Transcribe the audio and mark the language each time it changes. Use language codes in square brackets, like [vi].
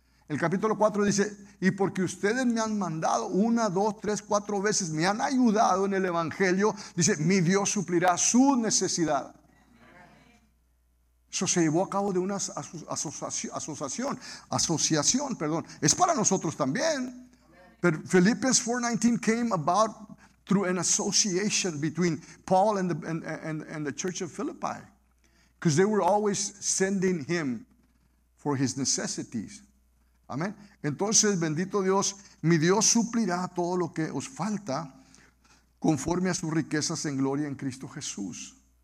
[es] El capítulo 4 dice, y porque ustedes me han mandado una, dos, tres, cuatro veces, me han ayudado en el evangelio, dice, mi Dios suplirá su necesidad. Eso se llevó a cabo de una asociación, es para nosotros también. [en] Pero Philippians 4:19 came about through an association between Paul and the church of Philippi, because they were always sending him for his necessities. [es] Amén. Entonces, bendito Dios, mi Dios suplirá todo lo que os falta conforme a sus riquezas en gloria en Cristo Jesús.